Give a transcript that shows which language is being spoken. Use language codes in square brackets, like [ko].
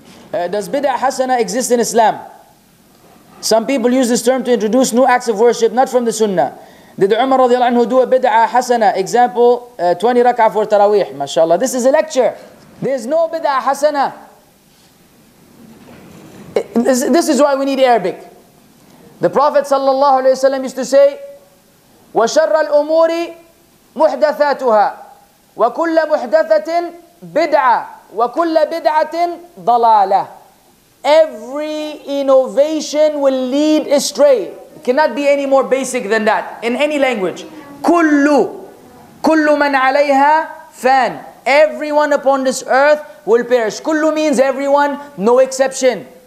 [en] Does bid'ah hasana exist in Islam? Some people use this term to introduce new acts of worship, not from the sunnah. Did Umar radiallahu anhu do a bid'ah hasana? Example, 20 rak'ah for taraweeh, mashallah. This is a lecture. There's no bid'ah hasana. This is why we need Arabic. The Prophet sallallahu alayhi wasallam used to say, [ar] وَشَرَّ الْأُمُورِ مُحْدَثَاتُهَا وَكُلَّ مُحْدَثَةٍ بِدْعَةٍ وَكُلَّ بِدْعَةٍ ضَلَالَةٍ. [en] Every innovation will lead astray. It cannot be any more basic than that in any language. [ar] كُلُّ مَنْ عَلَيْهَا فَانٍ. [en] Everyone upon this earth will perish. Kullu means everyone, no exception.